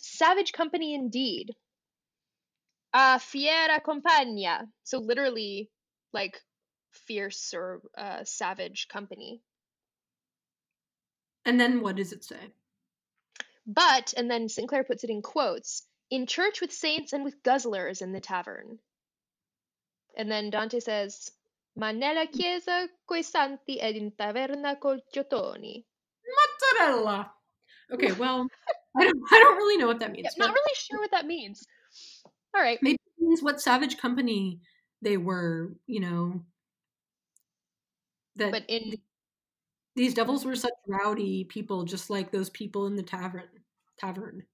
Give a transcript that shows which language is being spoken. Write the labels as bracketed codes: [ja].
[en] Savage company indeed. [it] Fiera compagna. [en] So literally, like, fierce or savage company. And then what does it say? But, and then Sinclair puts it in quotes, in church with saints and with guzzlers in the tavern. And then Dante says, [it] ma nella chiesa coi santi ed in taverna col giottoni. Mozzarella! [en] Okay, well, I don't really know what that means. Yeah, not really sure what that means. All right. Maybe it means what savage company they were, you know. That. But in... These devils were such rowdy people, just like those people in the tavern.